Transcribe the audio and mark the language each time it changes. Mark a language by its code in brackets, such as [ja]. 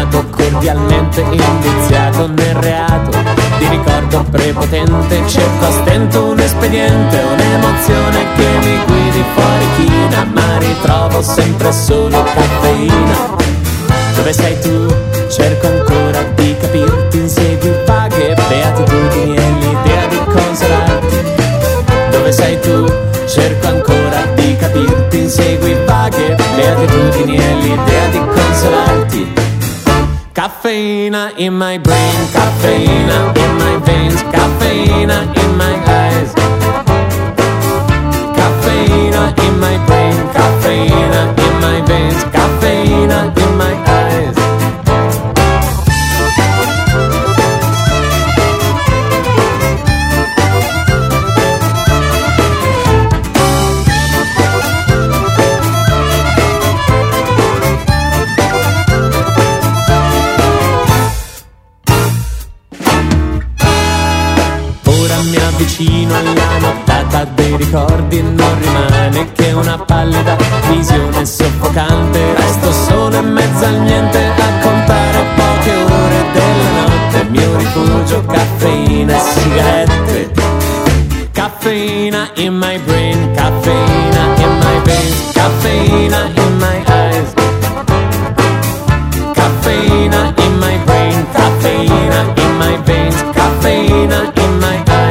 [it] Cordialmente indiziato nel reato di ricordo prepotente, cerco a stento un espediente, un'emozione che mi guidi fuori china, ma ritrovo sempre solo caffeina. Dove sei tu? Cerco ancora di capirti, insegui paghe beatitudini e l'idea di consolarti. Dove sei? sei tu. Cerco ancora di capirti, inseguo i vaghe beatitudini e l'idea di consolarti. [en] Caffeina in my brain, caffeina in my veins, caffeina in my eyes. Caffeina in my brain, caffeina in my veins, caffeina in my eyes. [it] Vicino alla nottata dei ricordi non rimane che una pallida visione soffocante. Resto solo in mezzo al niente a contare poche ore della notte. Mio rifugio caffeina e sigarette. [en] Caffeina in my brain, caffeina in my veins, caffeina in my eyes. Caffeina in my brain, caffeina in my veins, caffeina in my eyes.